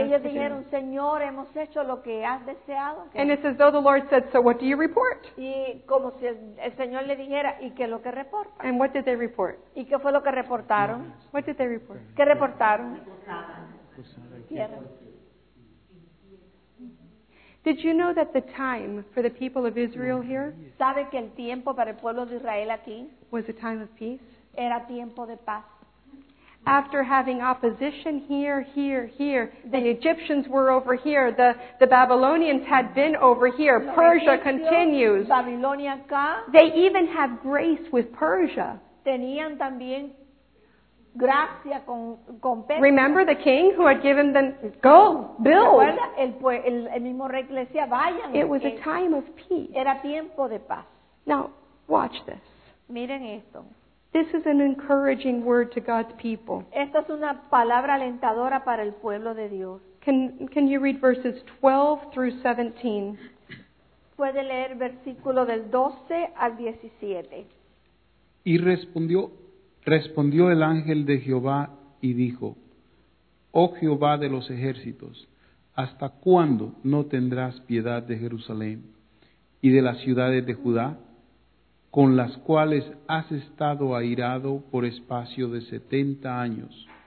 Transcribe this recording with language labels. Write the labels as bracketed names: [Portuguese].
[Spanish] Y ellos dijeron, Señor, hemos hecho lo que has deseado. [English] And it's as though the Lord said, so what do you report? [Spanish] Y como si el Señor le dijera, ¿y qué es lo que reporta? [English] And what did they report? [Spanish] ¿Y qué fue lo que reportaron? [English] What did they report? [Spanish] ¿Qué reportaron? [English] Did you know that the time for the people of Israel here? [Spanish] ¿Sabe que el tiempo para el pueblo de Israel aquí? [English] Was a time of peace. [Spanish] Era tiempo de paz. [English] After having opposition here, the Egyptians were over here, the Babylonians had been over here, Persia continues. [Spanish] Babilonia acá. [English] They even have grace with Persia. [Spanish] Tenían también gracia con Persia. [English] Remember the king who had given them, go, build. [Spanish] El mismo rey que decía, vayan. [English] It was a time of peace. [Spanish] Era tiempo de paz. [English] Now, watch this. [Spanish] Miren esto. [English] This is an encouraging word to God's people. [Spanish] Esta es una palabra alentadora para el pueblo de Dios. [English] Can you read verses 12 through 17? [Spanish] Puede leer versículo del 12 al 17. Y respondió el ángel de Jehová y dijo, oh Jehová de los ejércitos, ¿hasta cuándo no tendrás piedad de Jerusalén y de las ciudades de Judá, con las cuales has estado airado por espacio de 70 años?